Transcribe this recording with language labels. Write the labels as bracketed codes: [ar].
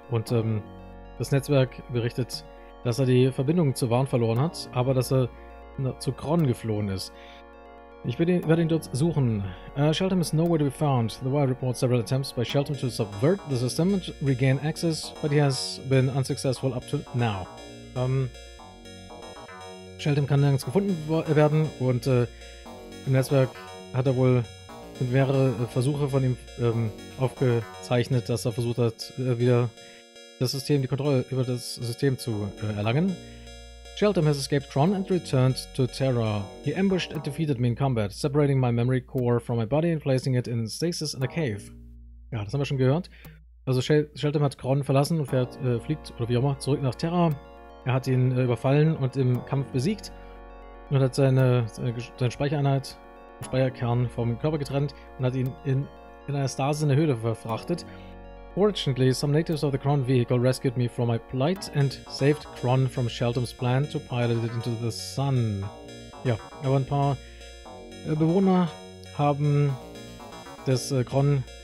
[de] Und das Netzwerk berichtet, dass er die Verbindung zu Varn verloren hat, aber dass er zu Kron geflohen ist. Ich werde ihn dort suchen. [en] Shelton is nowhere to be found. The Wire reports several attempts by Shelton to subvert the system and regain access, but he has been unsuccessful up to now. [de] Shelton kann nirgends gefunden werden und im Netzwerk hat er wohl mehrere Versuche von ihm aufgezeichnet, dass er versucht hat, wieder das System, die Kontrolle über das System zu erlangen. [en] Shelton has escaped Kron and returned to Terra. He ambushed and defeated me in combat, separating my memory core from my body and placing it in stasis in a cave. [de] Ja, das haben wir schon gehört. Also Shelton hat Kron verlassen und fliegt, oder wie auch immer, zurück nach Terra. Er hat ihn überfallen und im Kampf besiegt und hat seine Speichereinheit, den Speicherkern vom Körper getrennt und hat ihn in einer Stasis in der Höhle verfrachtet. [en] Fortunately, some natives of the Kron vehicle rescued me from my plight and saved Kron from Shelton's plan to pilot it into the sun. [de] Ja, aber ein paar Bewohner haben das Kron